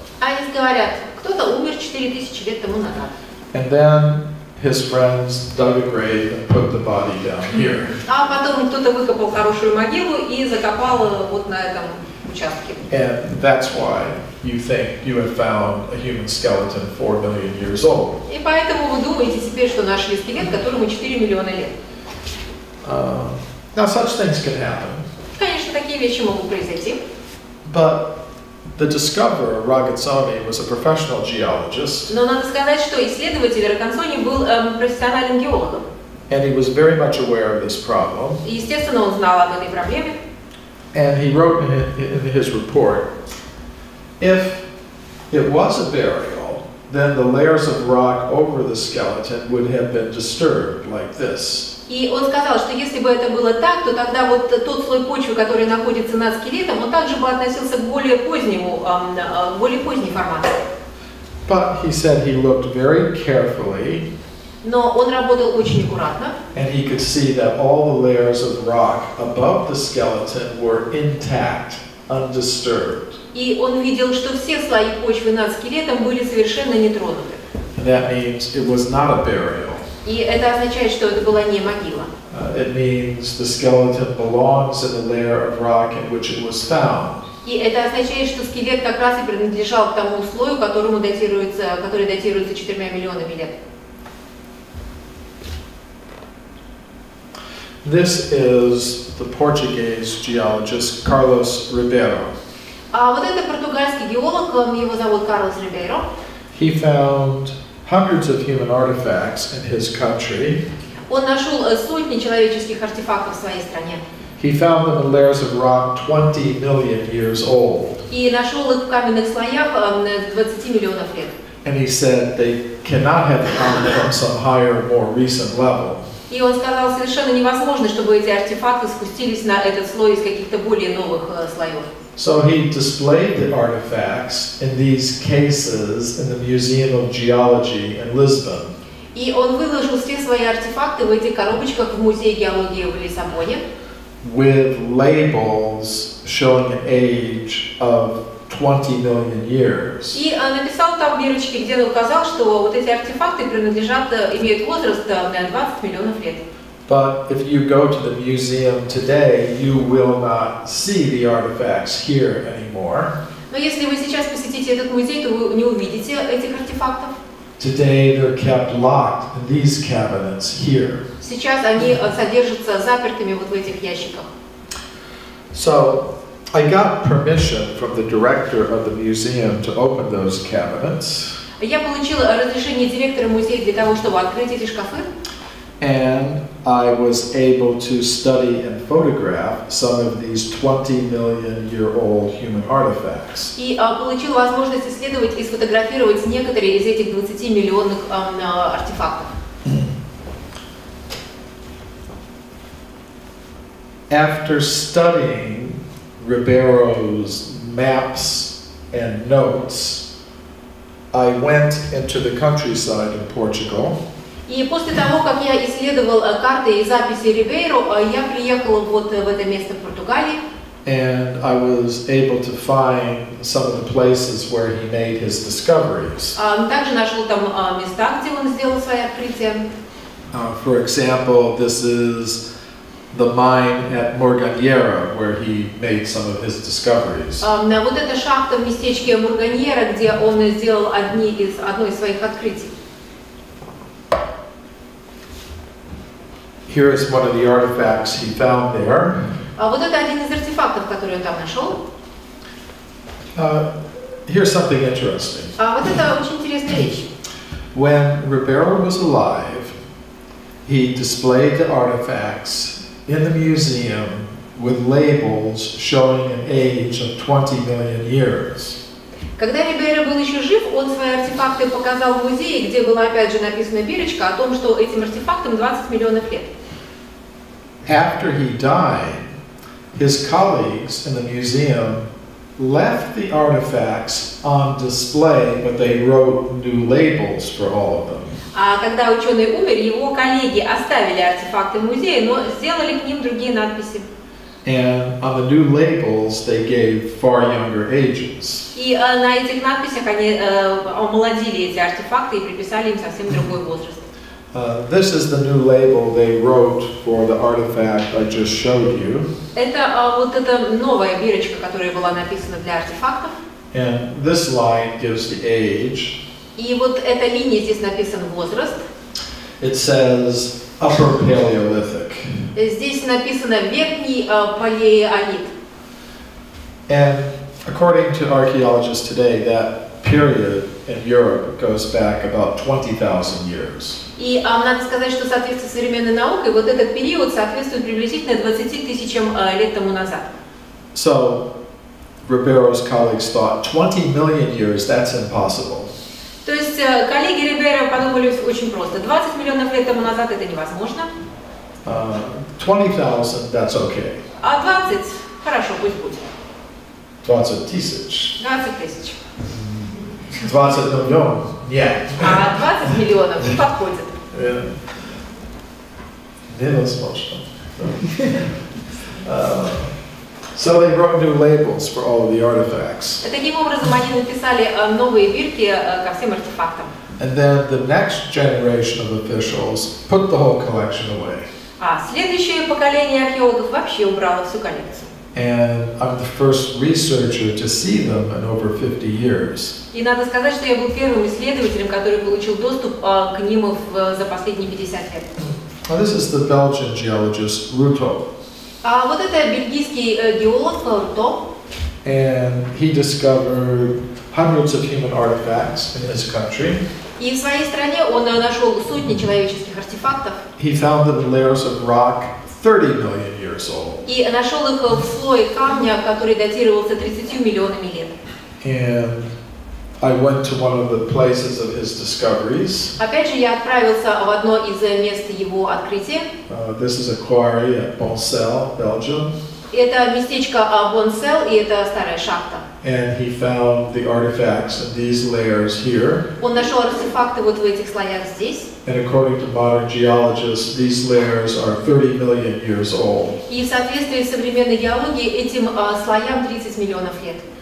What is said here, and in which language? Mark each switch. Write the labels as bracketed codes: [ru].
[ru] Они говорят, кто-то умер 4,000 лет тому назад. [en] And then his friends dug a grave and put the body down here. [ru] А потом кто-то выкопал хорошую могилу и закопал вот на этом участке. [en] And that's why you think you have found a human skeleton 4 million years old. [ru] И поэтому вы думаете теперь, что нашли скелет, которому 4 миллиона лет. [en] Now such things can happen. [ru] Конечно, такие вещи могут произойти. [en] But the discoverer Ragazzoni was a professional geologist. [ru] Но надо сказать, что исследователь Ragazzoni был профессиональным геологом. [en] And he was very much aware of this problem. [ru] Естественно, он знал об этой проблеме. [en] And he wrote in his report, if it was a burial, then the layers of rock over the skeleton would have been disturbed like this. [ru] И он сказал, что если бы это было так, то тогда вот тот слой почвы, который находится над скелетом, он также бы относился к более поздней формации. [en] But he said he looked very carefully. [ru] Но он работал очень аккуратно. [en] And he could see that all the layers of rock above the skeleton were intact, undisturbed. [ru] И он видел, что все слои почвы над скелетом были совершенно не тронуты. [en] And that means it was not a burial. [ru] И это означает, что это была не могила. [en] It means the skeleton belongs in the layer of rock in which it was found. [ru] И это означает, что скелет как раз и принадлежал к тому слою, который датируется 4 миллионами лет. [en] This is the Portuguese geologist Carlos Ribeiro. [ru] А вот это португальский геолог, его зовут Карлос Рибейро. [en] He found hundreds of human artifacts in his country. [ru] Он нашел сотни человеческих артефактов в своей стране. [en] He found them in layers of rock 20 million years old. [ru] И нашел их в каменных слоях 20 миллионов лет. [en] And he said they cannot have come from some higher, more recent level. [ru] И он сказал, совершенно невозможно, чтобы эти артефакты спустились на этот слой из каких-то более новых слоев. [en] So he displayed the artifacts in these cases in the Museum of Geology in Lisbon. [ru] И он выложил все свои артефакты в эти коробочках в музее геологии в Лиссабоне. [en] With labels showing an age of 20 million years. [ru] И написал там бирочки, где он указал, что вот эти артефакты принадлежат, имеют возраст 20 миллионов лет. [en] But if you go to the museum today, you will not see the artifacts here anymore. [ru] Но если вы сейчас посетите этот музей, то вы не увидите этих артефактов. [en] Today they're kept locked in these cabinets here. [ru] Сейчас они содержатся запертыми вот в этих ящиках. [en] So I got permission from the director of the museum to open those cabinets. [ru] Я получила разрешение директора музея для того, чтобы открыть эти шкафы. [en] And I was able to study and photograph some of these 20 million year old human artifacts. [ru] И получила возможность исследовать и сфотографировать некоторые из этих 20 миллионных артефактов. [en] After studying Ribeiro's maps and notes, I went into the countryside in Portugal. [ru] И после того, как я исследовал карты и записи Рибейро, я приехал вот в это место в Португалии. [en] And I was able to find some of the places where he made his discoveries. [ru] Также нашел там места, где он сделал свои открытия. [en] For example, this is the mine at Morganiera, where he made some of his discoveries. [ru] Вот эта шахта в местечке Морганьера, где он сделал одно из своих открытий. [en] Here is one of the artifacts he found there. [ru] Вот это один из артефактов, который он там нашел. [en] Here's something interesting. [ru] Вот это очень интересная вещь. [en] When Ribeiro was alive, he displayed the artifacts in the museum with labels showing an age of 20 million years. [ru] Когда Рибейро был еще жив, он свои артефакты показал в музее, где была опять же написана бирочка о том, что этим артефактам 20 миллионов лет. [en] After he died, his colleagues in the museum left the artifacts on display, but they wrote new labels for all of them. [ru] А когда ученый умер, его коллеги оставили артефакты в музее, но сделали к ним другие надписи. [en] And on the new labels, they gave far younger ages. [ru] И на этих надписях они омолодили эти артефакты и приписали им совсем другой возраст. [en] This is the new label they wrote for the artifact I just showed you. [ru] Это вот эта новая бирочка, которая была написана для артефактов. [en] And this line gives the age. [ru] И вот эта линия здесь написан возраст. [en] It says Upper Paleolithic. [ru] Здесь написано верхний палеолит. [en] And according to archaeologists today, that period in Europe goes back about 20,000 years. [ru] И надо сказать, что в соответствии с современной наукой, вот этот период соответствует приблизительно 20 тысячам лет тому назад. [en] So, Ribeiro's colleagues thought 20 million years, that's impossible. [ru] То есть коллеги Рибейро подумали очень просто. 20 миллионов лет тому назад это невозможно. [en] 20,000, that's okay. [ru] А 20, хорошо, пусть будет. 20 тысяч. 20 тысяч. 20 миллионов. Нет. А 20 миллионов не подходит. Невозможно. [en] So they wrote new labels for all of the artifacts. [ru] Таким образом они написали новые бирки ко всем артефактам. [en] And then the next generation of officials put the whole collection away. [ru] А следующее поколение археологов вообще убрало всю коллекцию. [en] And I'm the first researcher to see them in over 50 years. [ru] И надо сказать, что я был первым исследователем, который получил доступ к ним за последние 50 лет. [en] Well, this is the Belgian geologist Ruto. [ru] А вот это бельгийский геолог Ruto. [en] And he discovered hundreds of human artifacts in his country. [ru] И в своей стране он нашел сотни человеческих артефактов. [en] He found the layers of rock 30 million years old. [ru] И нашел их в слое камня, который датировался 30 миллионами лет. [en] And I went to one of the places of his discoveries. [ru] Опять же, я отправился в одно из мест его открытия. [en] This is a quarry at Boncel, Belgium. [ru] Это местечко Boncel, и это старая шахта. [en] And he found the artifacts in these layers here. [ru] Он нашел артефакты вот в этих слоях здесь. [en] And according to modern geologists, these layers are 30 million years old. [ru] И в соответствии с современной геологией этим слоям 30 миллионов лет.